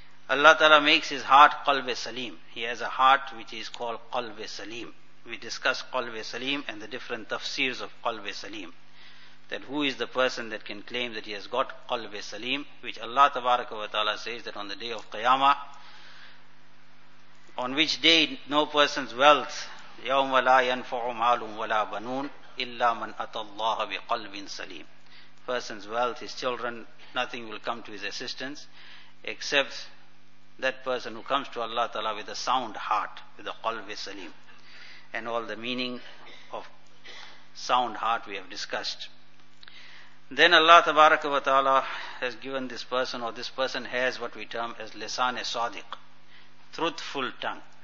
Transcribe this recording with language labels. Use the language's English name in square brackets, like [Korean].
[English] Allah ta'ala makes his heart qalb-e salim. He has a heart which is called qalb-e salim. We discuss qalb-e salim and the different tafsirs of qalb-e salim. That who is the person that can claim that he has got qalb-e salim, which Allah tabaraka wa ta'ala says that on the day of qiyamah, on which day no person's wealth, [Arabic] يوم لا ينفع مال ولا بنون إلا من أتى الله بقلب سليم. [English] Person's wealth, his children, nothing will come to his assistance except that person who comes to Allah Ta'ala with a sound heart, with a qalb salim. And all the meaning of sound heart we have discussed. Then Allah Tabaraka wa Ta'ala has given this person, or this person has what we term as lisan e sadiq, truthful tongue.